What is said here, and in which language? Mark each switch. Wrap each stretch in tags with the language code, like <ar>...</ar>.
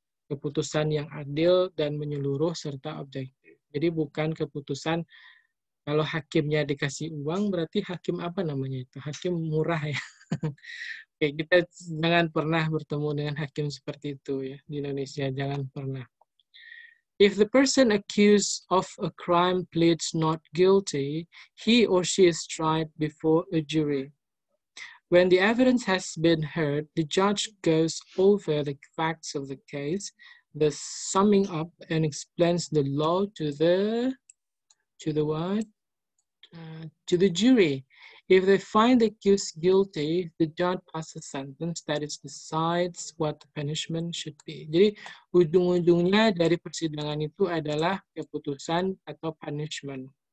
<id>Keputusan yang adil dan menyeluruh serta objektif. Jadi bukan keputusan, kalau hakimnya dikasih uang, berarti hakim apa namanya itu? Hakim murah ya. Oke, kita jangan pernah bertemu dengan hakim seperti itu ya di Indonesia, jangan pernah.</id> <en>If the person accused of a crime pleads not guilty, he or she is tried before a jury. When the evidence has been heard, the judge goes over the facts of the case, the summing up, and explains the law to the jury. If they find the accused guilty, the judge passes sentence that is decides what the punishment should be.</en> <id>Jadi ujung-ujungnya dari persidangan itu adalah keputusan atau punishment.</id>